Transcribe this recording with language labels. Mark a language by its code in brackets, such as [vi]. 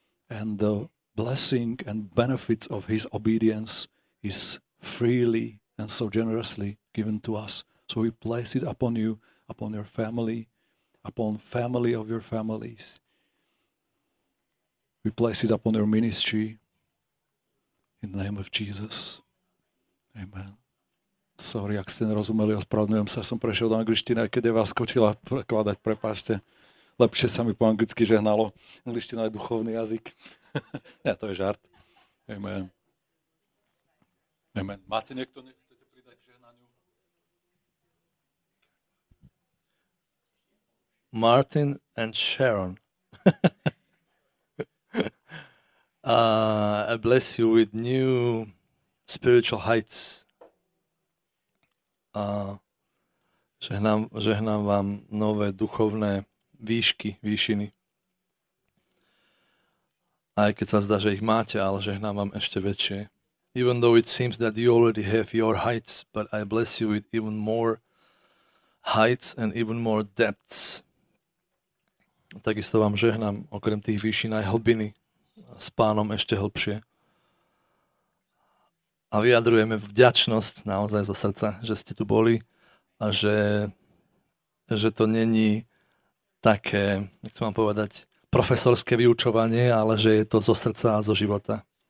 [en] And the blessing and benefits of his obedience is freely and so generously given to us. So we place it upon you, upon your family, upon family of your families. We place it upon your ministry. In the name of Jesus. Amen. [sk] Sorry, ak ste nerozumeli, ospravedlňujem sa, som prešiel do angličtiny, aj keď je vás skočila prekladať, prepáčte. Lepšie sa mi po anglicky žehnalo. Angličtina je duchovný jazyk. Ja, to je žart. Amen. Amen. Máte niekto, nechcete pridať k žehnaniu? [en] Martin and Sharon. I bless you with new spiritual heights. [sk] Žehnám vám nové duchovné výšky, výšiny. Aj keď sa zdá, že ich máte, ale žehnám vám ešte väčšie. [en] Even though it seems that you already have your heights, but I bless you with even more heights and even more depths. [sk] Takisto vám žehnám, okrem tých výšin aj hlbiny, s pánom ešte hlbšie. A vyjadrujeme vďačnosť naozaj zo srdca, že ste tu boli a že to není také, nechcem vám povedať, profesorské vyučovanie, ale že je to zo srdca a zo života.